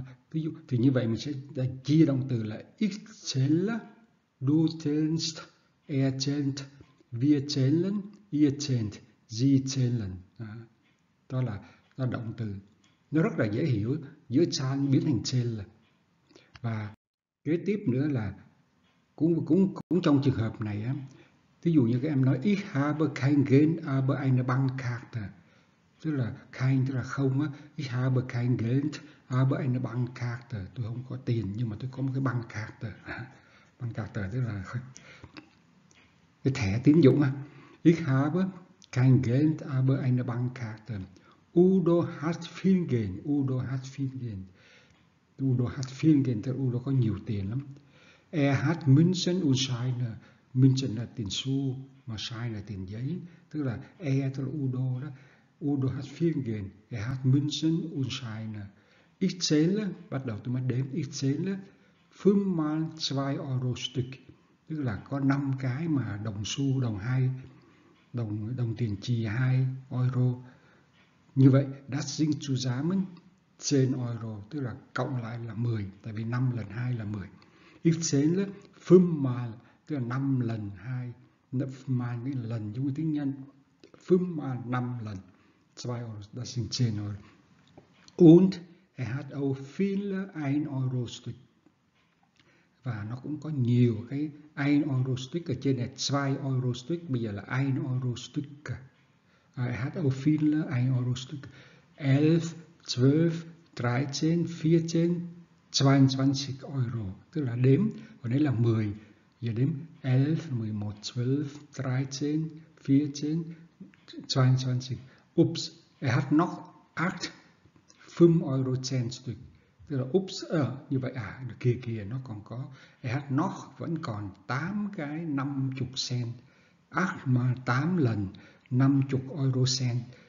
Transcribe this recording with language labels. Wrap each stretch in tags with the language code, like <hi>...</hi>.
<vi>Ví dụ thì như vậy mình sẽ chia động từ là</vi> <de>ich zähle, du zählst, er zählt, wir zählen, ihr zählt, sie zählen.</de> <vi>Đó là động từ. Nó rất là dễ hiểu, giữa zahlen biến thành zählen. Và kế tiếp nữa là cũng trong trường hợp này á, ví dụ như các em nói</vi> <de>ich habe kein Geld, aber eine Bankkarte.</de> <vi>Tức là kein, tức là không á,</vi> <de>ich habe kein Geld, aber eine Bankkarte,</de> <vi>tôi không có tiền nhưng mà tôi có một cái Bankkarte. Bankkarte tức là cái thẻ tín dụng á.</vi> <de>Ich habe kein Geld, aber eine Bankkarte. Udo hat viel Geld, Udo hat viel Geld. Udo hat viel Geld,</de> <vi>tức là Udo có nhiều tiền lắm.</vi> <de>Er hat Münzen und Scheine.</de> <vi>Münzen là tiền xu mà Scheine là tiền giấy, tức là tức là Udo đó.</vi> <de>Udo hat viel Geld, er hat Münzen und Scheine. Ich zähle,</de> <vi>bắt đầu tôi mới đếm,</vi> <de>ich zähle, 5 mal 2 Euro Stück,</de> <vi>tức là có 5 cái mà đồng xu, đồng 2, đồng tiền chì 2 Euro. Như vậy,</vi> <de>das sind zusammen 10 Euro,</de> <vi>tức là cộng lại là 10, tại vì 5 lần 2 là 10.</vi> <de>Ich zähle, 5 mal,</de> <vi>tức là 5 lần 2, 5 mal, cái lần giống như tiếng Nhật, 5 mal 5 lần.</vi> <de>2 Euro, das sind 10 Euro. Und er hat auch viele 1 Euro Stück.</de> <vi>và nó cũng có nhiều cái ein euro stück ở trên này,</vi> <de>zwei euro stück,</de> <vi>bây giờ là ein euro stück.</vi> <de>Er hat auch viele ein euro stück.</de> <vi>11, 12, 13, 14, 22 euro, tức là đếm, còn đấy là 10, giờ đếm 11, 12, 13, 14, 22. Oops,</vi> <de>er hat noch 8, 5 euro 10 stück,</de> <vi>tức là oops, như vậy à, kia kia nó còn có,</vi> <de>er hat noch,</de> <vi>vẫn còn 8 cái 50 sen, 8 mà 8 lần 50 euro sen.</vi>